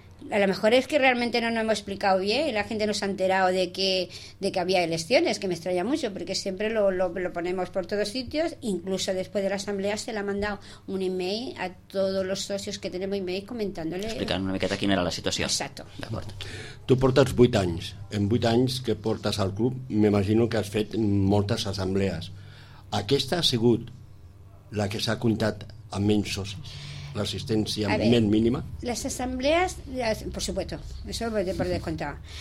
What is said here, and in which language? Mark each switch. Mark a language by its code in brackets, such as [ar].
[es] A lo mejor es que realmente no nos hemos explicado bien y la gente no se ha enterado de que había elecciones, que me extraña mucho, porque siempre lo ponemos por todos sitios. Incluso después de la asamblea se le ha mandado un email a todos los socios que tenemos email comentándole. [ca] Explicant una miqueta quina era la situació. [es] Exacto. [ca] D'acord. Tu portes 8 anys. En 8 anys que portes al club, m'imagino que has fet moltes assemblees. Aquesta ha sigut la que s'ha comptat amb menys socis? L'assistència més mínima? Les assemblees, [es] por supuesto, eso lo voy a poder contar.